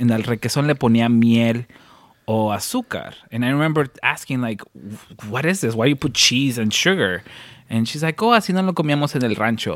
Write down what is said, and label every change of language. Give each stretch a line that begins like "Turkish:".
Spanish: And al requesón le ponía miel o azúcar.
English: And I remember asking, like, what is this? Why do you put cheese and sugar? And she's like, oh,
Spanish: así no lo comíamos en el rancho.